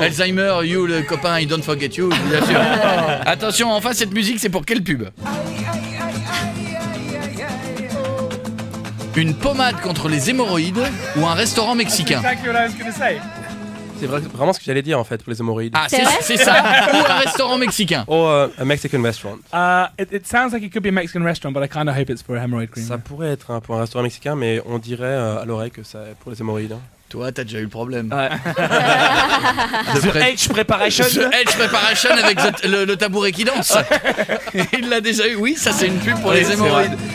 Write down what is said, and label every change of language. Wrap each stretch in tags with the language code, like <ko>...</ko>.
<en>Alzheimer, you, le copain, I don't forget you.</en> <fr>Bien sûr. Attention, enfin, cette musique, c'est pour quelle pub? Une pommade contre les hémorroïdes ou un restaurant mexicain?</fr> <en>That's exactly what I was gonna say.</en> <fr>C'est vraiment ce que j'allais dire en fait pour les hémorroïdes. Ah, c'est ça. Ou un restaurant mexicain. Ou un Mexican restaurant.</fr> <en>It sounds like it could be a Mexican restaurant, but I kind of hope it's for a hemorrhoid cream.</en> <fr>Ça pourrait être pour un restaurant mexicain, mais on dirait à l'oreille que c'est pour les hémorroïdes. Hein. Toi, t'as déjà eu le problème. Ouais. The Edge Preparation. The Edge Preparation avec le tabouret qui danse. Il l'a déjà eu. Oui, ça, c'est une pub pour les hémorroïdes.</fr>